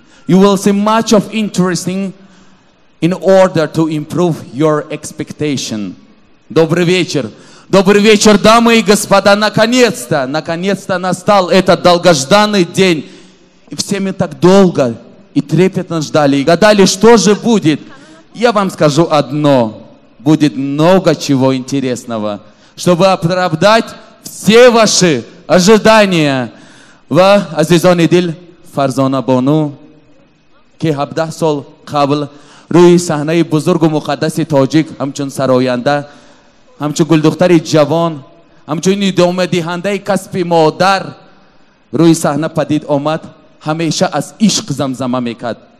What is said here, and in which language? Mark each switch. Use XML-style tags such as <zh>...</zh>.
<en>You will see much of interesting in order to improve your expectation.</en> <ru>Добрый вечер. Добрый вечер, дамы и господа. Наконец-то настал этот долгожданный день. И все мы так долго и трепетно ждали, и гадали, что же будет. Я вам скажу одно. Будет много чего интересного, чтобы оправдать все ваши ожидания.</ru> <tg>Ва азизон идил фарзона бону, ки 17 сол қабл рӯи саҳнаи бузургу муқаддаси тоҷик ҳамчун сароянда, ҳамчун гулдухтари ҷавон, ҳамчун идомадиҳандаи касби модар рӯи саҳна падид омад, ҳамеша аз ишқ замзама мекард.</tg>